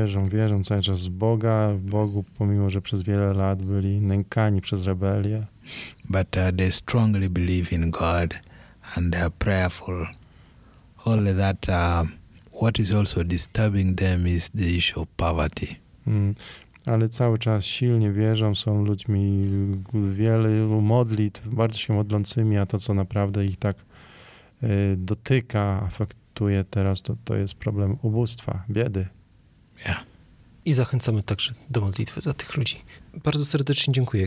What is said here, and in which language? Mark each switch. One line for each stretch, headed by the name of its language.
Polish: Wierzą cały czas w Bogu, pomimo że przez wiele lat byli nękani przez rebelię.
English: But they strongly believe in God and they are prayerful. Only that what is also disturbing them is the issue of poverty.
Polish: Ale cały czas silnie wierzą, są ludźmi wielu modlitw, bardzo się modlącymi, a to, co naprawdę ich tak dotyka, afektuje teraz, to jest problem ubóstwa, biedy.
English: Yeah.
Polish: I zachęcamy także do modlitwy za tych ludzi. Bardzo serdecznie dziękuję.